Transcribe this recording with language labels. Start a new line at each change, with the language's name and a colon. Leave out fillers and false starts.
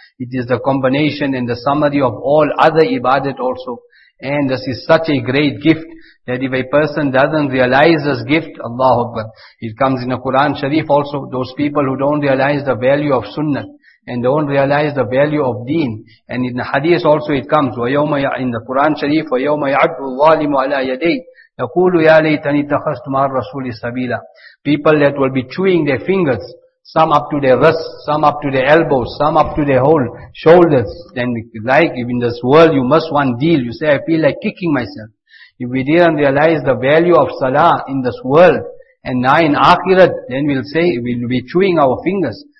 English: It is the combination and the summary of all other ibadat also. And this is such a great gift that if a person doesn't realize this gift, Allahu Akbar. It comes in the Quran Sharif also, those people who don't realize the value of sunnah and don't realize the value of deen. And in the hadith also it comes, in the Quran Sharif,
Arabic: وَيَوْمَ يَعَدُّ الظَّالِمُ عَلَىٰ يَدَيْهِ يَقُولُ يَا لَيْتَنِي اتَّخَذْتُ مَعَ الرَّسُولِ سَبِيلًا.
English: People that will be chewing their fingers, some up to their wrists, some up to their elbows, some up to their whole shoulders. Then like in this world, you must one deal. You say, I feel like kicking myself. If we didn't realize the value of salah in this world, and now in akhirat, then we'll say, we'll be chewing our fingers.